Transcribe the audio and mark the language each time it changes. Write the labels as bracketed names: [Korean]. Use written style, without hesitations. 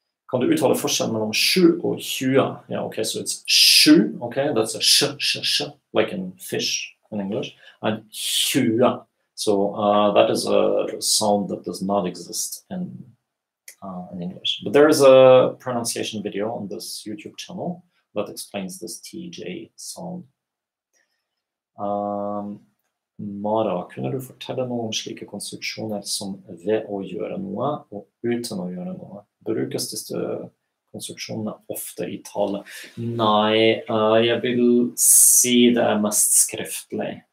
[Norwegian] Kan du uttale forskjellen mellom 7 og 20? [English] Yeah, okay, so it's 7, okay, that's a sh, sh, sh, like in fish in English, and 20. So that is a sound that does not exist in English. But there is a pronunciation video on this YouTube channel that explains this TJ sound. [Norwegian] Mara, kunne du fortelle noe om slike konstruksjoner som ved å gjøre noe og uten å gjøre noe? Brukes disse konstruksjonene ofte i tale? Nei, jeg vil si det mest skriftlig.